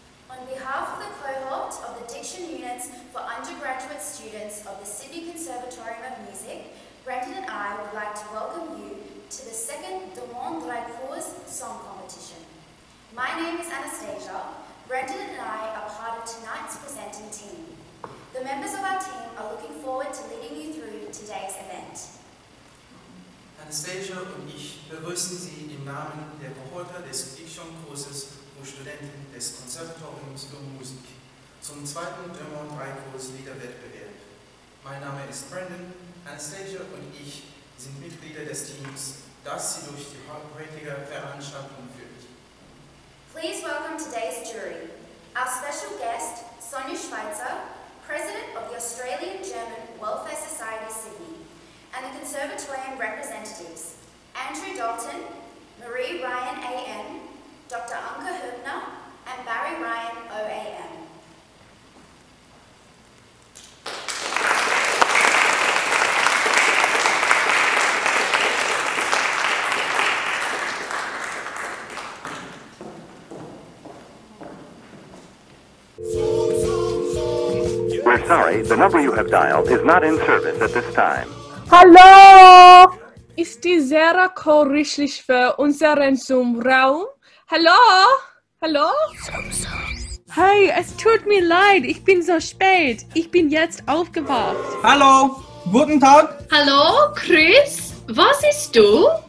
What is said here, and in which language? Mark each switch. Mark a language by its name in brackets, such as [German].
[English] On behalf of the cohort of the diction units for undergraduate students of the Sydney Conservatorium of Music, Brendan and I would like to welcome you to the second Demant Dreikurs song competition. My name is Anastasia. Brendan and I are part of tonight's presenting team. The members of our team are looking forward to leading you through today's event. [German] Anastasia und ich begrüßen Sie im Namen der Cohorte des Diktionkurses für Studenten des Konservatoriums für Musik zum zweiten Demant Dreikurs Liederwettbewerb. Mein Name ist Brendan. Anastasia und ich sind Mitglieder des Teams, das Sie durch die heutige Veranstaltung führt. [English] Please welcome today's jury, our special guest, Sonja Schweitzer, President of the Australian-German Welfare Society Sydney, and the Conservatorium representatives, Andrew Dalton, Marie Ryan AM, Dr. Anke Hübner, and Barry Ryan OAM. We're sorry, the number you have dialed is not in service at this time. [German] Hallo! Ist die Sarah korrichtlich für unseren Zoom-Raum? Hallo? Hallo? Hey, es tut mir leid, ich bin so spät. Ich bin jetzt aufgewacht. Hallo, guten Tag. Hallo, Chris, was isst du?